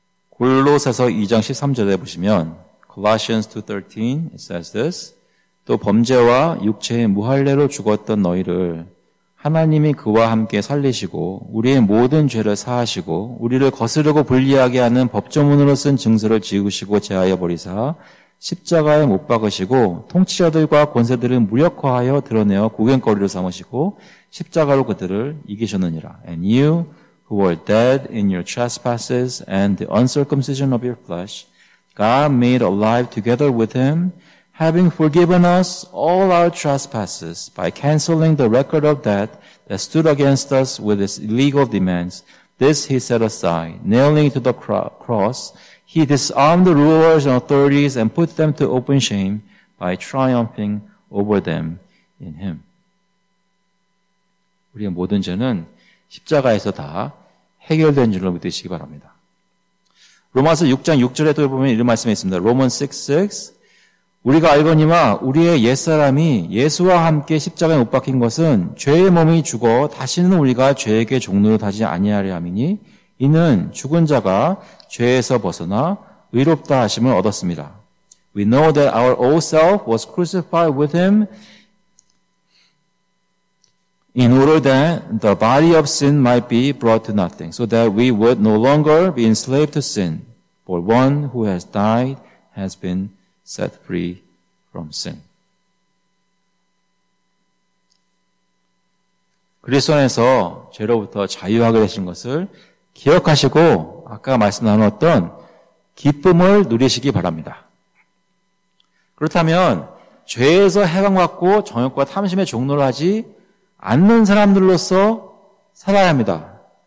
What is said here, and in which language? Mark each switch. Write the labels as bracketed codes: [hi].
[ko] 골로새서 2장 13절에 보시면 [en] Colossians 2:13 it says this [ko] 또 범죄와 육체의 무할례로 죽었던 너희를 하나님이 그와 함께 살리시고 우리의 모든 죄를 사하시고 우리를 거스르고 불리하게 하는 법조문으로 쓴 증서를 지우시고 제하여 버리사 십자가에 못 박으시고 통치자들과 권세들을 무력화하여 드러내어 구경거리로 삼으시고 십자가로 그들을 이기셨느니라. [en] And you who were dead in your trespasses and the uncircumcision of your flesh, God made alive together with him, having forgiven us all our trespasses by canceling the record of debt that stood against us with its illegal demands. This he set aside, nailing to the cross. He disarmed the rulers and authorities and put them to open shame by triumphing over them in him. [ko] 우리의 모든 죄는 십자가에서 다 해결된 줄로 믿으시기 바랍니다. 로마서 6장 6절에도 보면 이런 말씀이 있습니다. Romans 6:6 우리가 알거니와 우리의 옛사람이 예수와 함께 십자가에 못 박힌 것은 죄의 몸이 죽어 다시는 우리가 죄에게 종노릇하지 아니하려 함이니 이는 죽은 자가 죄에서 벗어나 의롭다 하심을 얻었습니다. [en] We know that our old self was crucified with him in order that the body of sin might be brought to nothing, so that we would no longer be enslaved to sin. For one who has died has been set free from sin. [ko] 그리스도 안에서 죄로부터 자유하게 되신 것을 기억하시고 아까 말씀 나눴던 기쁨을 누리시기 바랍니다. 그렇다면 죄에서 해방받고 정욕과 탐심에 종노릇하지 않는 사람들로서 살아야 합니다.